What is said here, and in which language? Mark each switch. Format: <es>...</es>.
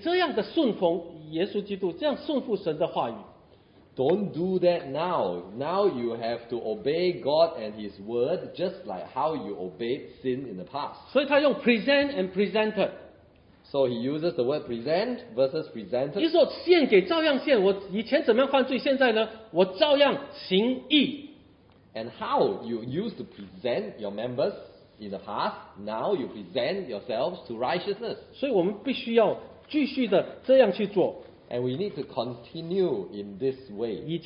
<zh>现在呢，不要，你照样，但是你这样的顺服耶稣基督，这样顺服神的话语。</zh> <en>Don't do that now. Now you have to obey God and His word just like how you obeyed sin in the past.</en> <zh>所以他用</zh> <en>present and presented. So he uses the word present versus presented.</en> <zh>意思说献给照样献，我以前怎么样犯罪，现在呢，我照样行义。</zh> <en>And how you used to present your members? In the past, now you present yourselves to righteousness.</en> <zh>所以我们必须要继续的这样去做。</zh> <en>And we need to continue in this way.</en>